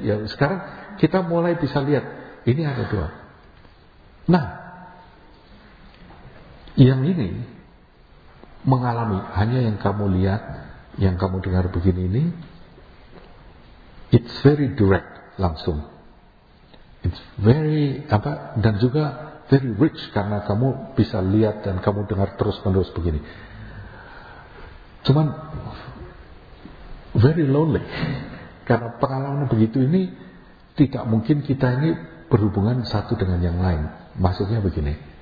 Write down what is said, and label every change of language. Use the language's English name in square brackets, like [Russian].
[Indonesian] Ya, yeah, sekarang kita mulai bisa lihat ini ada dua. Nah, yang ini mengalami hanya yang kamu lihat, yang kamu dengar begini ini. [English] It's very direct, [Indonesian] langsung. [English] It's very [Indonesian] apa dan juga [English] very rich [Indonesian] karena kamu bisa lihat dan kamu dengar terus-menerus begini. Cuman [English] very lonely [Indonesian] karena pengalaman begitu ini tidak mungkin kita ini berhubungan satu dengan yang lain. Maksudnya begini.